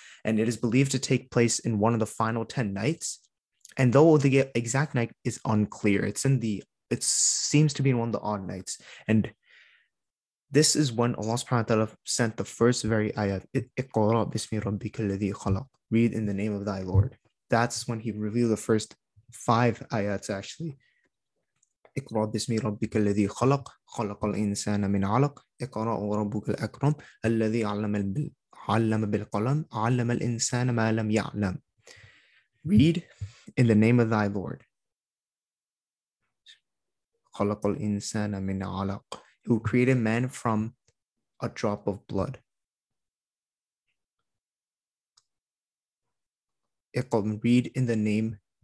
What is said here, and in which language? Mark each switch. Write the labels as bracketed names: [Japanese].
[English] And it is believed to take place in one of the final 10 nights. And though the exact night is unclear, it seems to be in one of the odd nights. And this is when Allah subhanahu wa ta'ala sent the first very ayat, [Arabic] Iqra' bismi rabbika alladhi khalaq, [English] read in the name of thy Lord. That's when he revealed the first five ayats, actually. [Arabic] اقرأ باسم ربك الذي خلق خلق الإنسان من علق اقرأ وربك الأكرم الذي علم بالقلم علم الإنسان ما لم يعلم. [English] Read in the name of thy Lord. [Arabic] خلق الإنسان من علق, [English] who created man from a drop of blood. Read in the name.